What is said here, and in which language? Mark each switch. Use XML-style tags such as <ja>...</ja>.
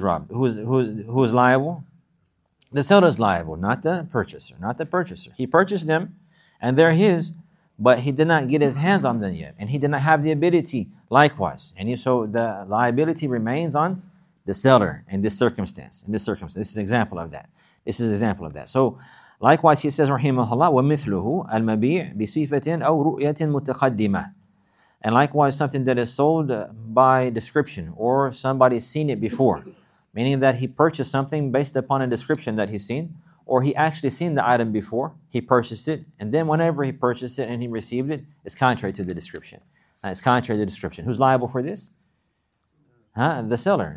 <en>Who is liable? The seller is liable, not the purchaser. He purchased them, and they're his, but he did not get his hands on them yet, and he did not have the ability likewise. And so the liability remains on the seller in this circumstance. This is an example of that. So likewise, he says,</en> <ar>رَحِيمَهُ وَمِثْلُهُ الْمَبِيعُ بِصِفَةٍ أَوْ رُؤْيَةٍ مُتَقَدِّمَةٍ.</ar> <en>And likewise, something that is sold by description, or somebody seen it before, meaning that he purchased something based upon a description that he's seen, or he actually seen the item before, he purchased it, and then whenever he purchased it and he received it, it's contrary to the description. Who's liable for this? Huh? The seller.</en>